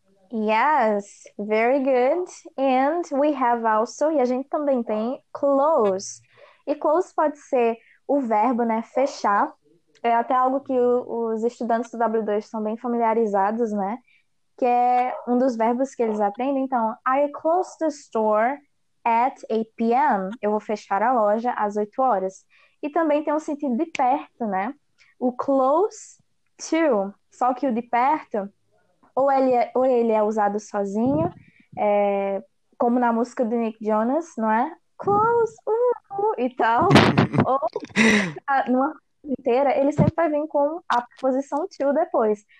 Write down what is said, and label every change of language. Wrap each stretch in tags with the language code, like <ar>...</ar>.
<en>Yes, very good. And we have also,</en> <pt>e a gente também tem</pt> <en>close.</en> <pt>E close pode ser o verbo, né, fechar. É até algo que os estudantes do W2 estão bem familiarizados, né? Que é um dos verbos que eles aprendem. Então,</pt> <en>I close the store at 8 p.m.</en> <pt>Eu vou fechar a loja às 8 horas. E também tem um sentido de perto, né? O close to. Só que o de perto, ou ele é usado sozinho, como na música do Nick Jonas, não é? Close, e tal. Ou numa inteira, ele sempre vai vir com a preposição to depois.</pt>